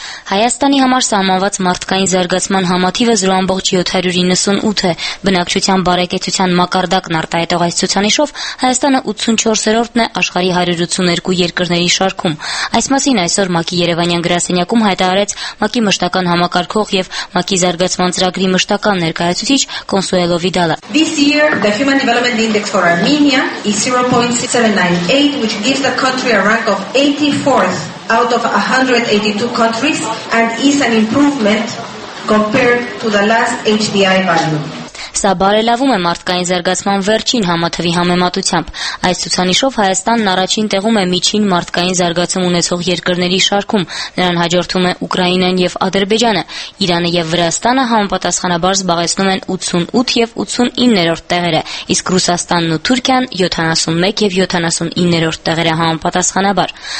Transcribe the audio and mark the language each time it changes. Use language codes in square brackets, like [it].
[hy] Հայաստանի համար սահմանված մարդկային զարգացման համաթիվը 0.798 է։ Բնակչության բարեկեցության մակարդակն արտահայտող այս ցուցանիշով Հայաստանը 84-րդն է աշխարհի 182 երկրների շարքում։ Այս մասին այսօր ՄԱԿ-ի Երևանյան գրասենյակում հայտարարեց ՄԱԿ-ի մշտական համակարգող և ՄԱԿ-ի զարգացման ծրագրի մշտական ներկայացուցիչ Կոնսուելո Վիդալը։ [en] This year the Human Development Index for Armenia is 0.798, which gives the country a rank of 84th. Out of 182 countries and is an improvement compared to the last HDI value. [hy] Սա բարելավում է մարդկային զարգացման վերջին համաթվի համեմատությամբ։ Այս ցուցանիշով Հայաստանն առաջին տեղում է միջին մարդկային զարգացում ունեցող երկրների շարքում, նրան հաջորդում է Ուկրաինան և Ադրբեջանը։ Իրանը և Վրաստանը համապատասխանաբար զբաղեցնում են 88 և 89-րդ տեղերը, իսկ Ռուսաստանն ու Թուրքիան 71 և 79-րդ տեղերը համապատասխանաբար։